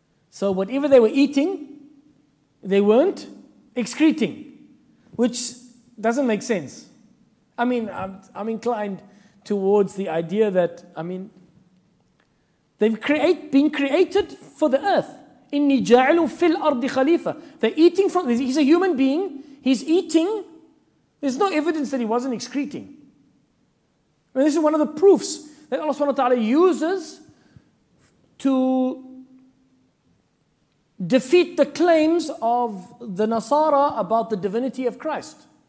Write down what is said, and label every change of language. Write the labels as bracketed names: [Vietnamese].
[English] So whatever they were eating, they weren't excreting. Which doesn't make sense. I mean, I'm inclined towards the idea that, I mean, They've been created for the earth. [Arabic] إِنِّي جَعَلُوا فِي الْأَرْضِ خَلِيفَةً [English] They're eating from... He's a human being. He's eating. There's no evidence that he wasn't excreting. I mean, this is one of the proofs that Allah subhanahu wa ta'ala uses to defeat the claims of the Nasara about the divinity of Christ.